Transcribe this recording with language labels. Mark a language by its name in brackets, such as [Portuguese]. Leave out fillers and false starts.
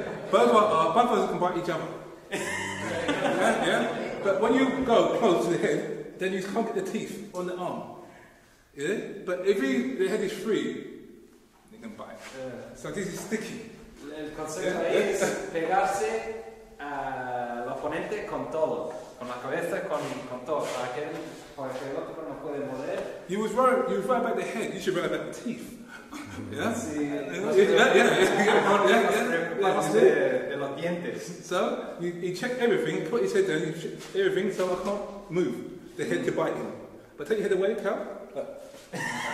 [English] Both of us can bite each other. Yeah? But when you go close to the head, then you can't get the teeth on the arm. Yeah? But if the head is free, he can bite. Yeah. So this is sticky. [Spanish] El concepto es pegarse al oponente con todo, con la cabeza, con todo, para que el otro no puede morder. [English] You were right about the head, you should be right about the teeth. Yeah? [Spanish] Sí, de los dientes. [English] So, you check everything, put your head down, you check everything so I can't move the head to bite him. But take your head away, cow.